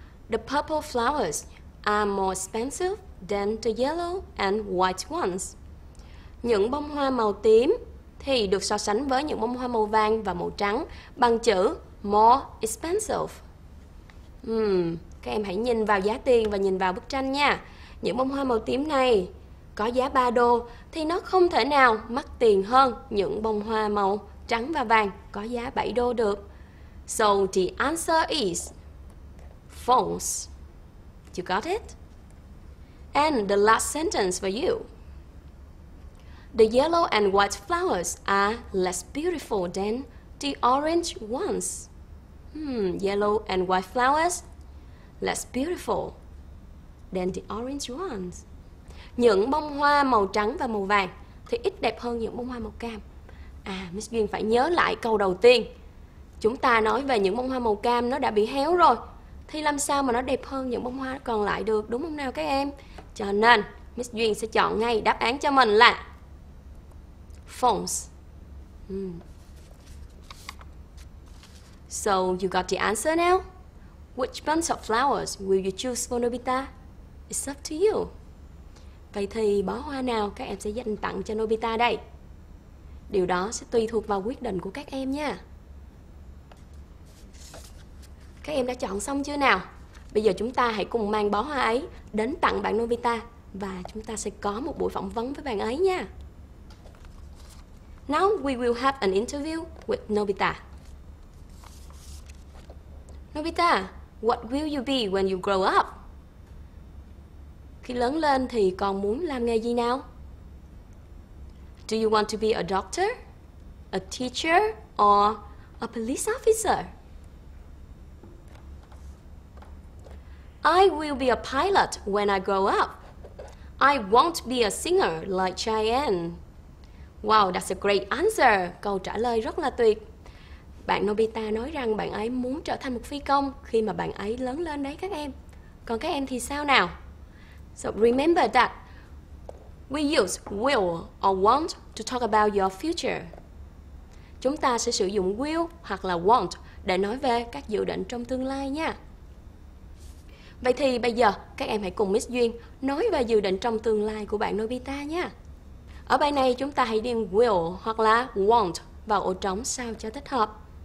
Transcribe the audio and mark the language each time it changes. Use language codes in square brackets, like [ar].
[en] The purple flowers are more expensive than the yellow and white ones. [vi] Những bông hoa màu tím thì được so sánh với những bông hoa màu vàng và màu trắng bằng chữ more expensive. Các em hãy nhìn vào giá tiền và nhìn vào bức tranh nha. Những bông hoa màu tím này có giá 3 đô thì nó không thể nào mắc tiền hơn những bông hoa màu trắng và vàng có giá 7 đô được. [en] So the answer is false. You got it? And the last sentence for you. The yellow and white flowers are less beautiful than the orange ones. Yellow and white flowers less beautiful than the orange ones. [vi] Những bông hoa màu trắng và màu vàng thì ít đẹp hơn những bông hoa màu cam. À, Miss Duyên phải nhớ lại câu đầu tiên. Chúng ta nói về những bông hoa màu cam nó đã bị héo rồi, thì làm sao mà nó đẹp hơn những bông hoa còn lại được, đúng không nào các em? Cho nên Miss Duyên sẽ chọn ngay đáp án cho mình là false. [en] So you got the answer now. Which bunch of flowers will you choose for Nobita? It's up to you. [vi] Vậy thì bó hoa nào các em sẽ dành tặng cho Nobita đây? Điều đó sẽ tùy thuộc vào quyết định của các em nha. Các em đã chọn xong chưa nào? Bây giờ chúng ta hãy cùng mang bó hoa ấy đến tặng bạn Nobita và chúng ta sẽ có một buổi phỏng vấn với bạn ấy nha. [en] Now we will have an interview with Nobita. Nobita, what will you be when you grow up? [vi] Khi lớn lên thì con muốn làm nghề gì nào? [en] Do you want to be a doctor, a teacher, or a police officer? I will be a pilot when I grow up. I won't be a singer like Cheyenne. Wow, that's a great answer. [vi] Câu trả lời rất là tuyệt. Bạn Nobita nói rằng bạn ấy muốn trở thành một phi công khi mà bạn ấy lớn lên đấy các em. Còn các em thì sao nào? [en] So remember that we use will or won't to talk about your future. [vi] Chúng ta sẽ sử dụng will hoặc là won't để nói về các dự định trong tương lai nha. Vậy thì bây giờ các em hãy cùng Miss Duyên nói về dự định trong tương lai của bạn Nobita nha. Ở bài này chúng ta hãy điền will hoặc là won't vào ổ trống sao cho thích hợp.